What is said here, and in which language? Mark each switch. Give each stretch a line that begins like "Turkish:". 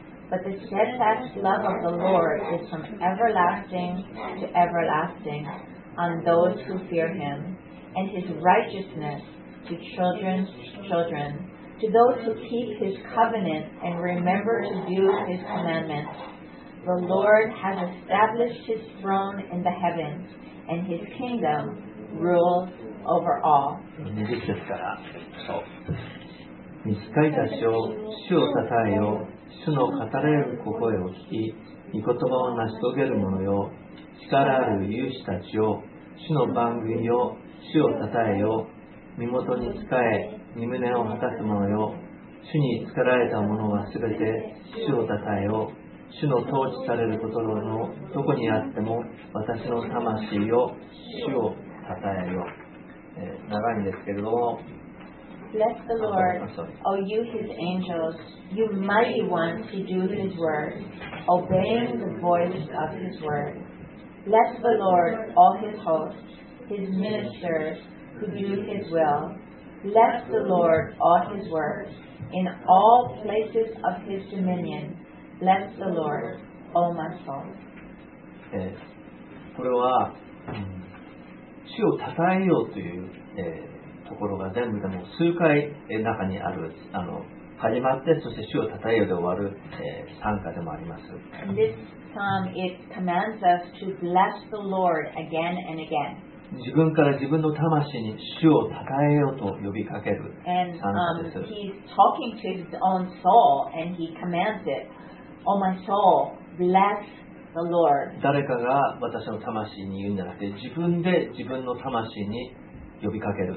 English: But the steadfast love of the Lord is from everlasting to everlasting on those who fear him, and his righteousness to children's children, to those who keep his covenant and remember to do his commandments. The Lord has established his throne in the heavens, and his kingdom rules over all.
Japanese: 20節から、そう。御使いたちよ、主を讃えよ、主の語られる声を聞き、御言葉を成し遂げる者よ、力ある勇士たちよ、主の番組よ、主を讃えよ、身元に仕え、御胸を果たす者よ、主に仕られた者はすべて主を讃えよ、主の統治されることのどこにあっても私の魂よ、主を讃えよ。長いんですけれども、
English: Bless the Lord, O you His angels, you mighty ones who do His word, obeying the voice of His word. Bless the Lord, all His hosts, His ministers who do His will. Bless the Lord, all His works, in all places of His dominion. Bless the Lord, O my soul.
Japanese: これは、主を讃えようという、ところが全部でも数回中にある、始まってそして主を讃えようで終わる、賛歌でもあります。
English: This psalm, it commands us to bless the Lord again and again.
Japanese: 自分から自分の魂に主を讃えようと呼びかける賛歌です。
English: And, he's talking to his own soul and he commands it, O my soul, bless the Lord.
Japanese: 誰かが私の魂に言うんじゃなくて自分で自分の魂に呼びかける。